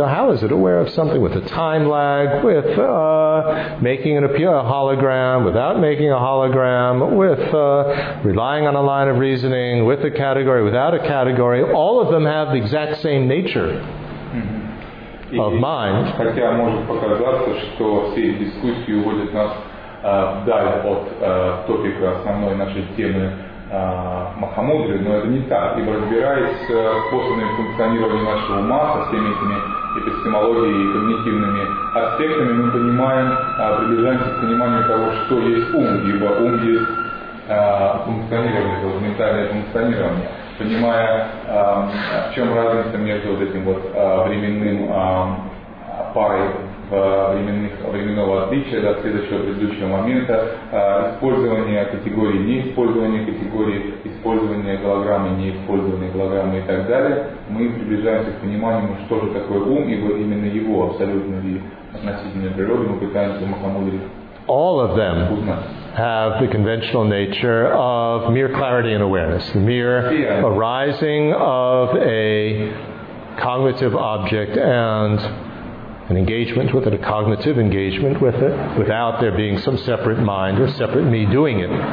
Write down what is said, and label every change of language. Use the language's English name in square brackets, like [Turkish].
[English] So how is it aware of something with a time lag, with making an appeal, a hologram, without making a hologram, with relying on a line of reasoning, with a category, without a category? All of them have the exact same nature. Of mind. [Russian] Хотя может показаться, что все дискуссии уводят нас вдаль от топика основной нашей темы Махамудры, но это не так. Ибо разбираясь с способами функционирования нашего ума, со всеми этими эпистемологией и когнитивными аспектами, мы понимаем, приближаемся к пониманию того, что есть ум, ибо ум есть функционирование, это ментальное функционирование. Понимая, в чем разница между вот этим вот временным парой временного отличия, да, следующего предыдущего момента, использование категории, неиспользование категории, использование голограммы, неиспользование голограммы и так далее, мы приближаемся к пониманию, что же такое ум, ибо именно его абсолютно и относительно природы мы пытаемся махамудрить. [English] All of them have the conventional nature of mere clarity and awareness, the mere arising of a cognitive object and an engagement with it, a cognitive engagement with it, without there being some separate mind or separate me doing it.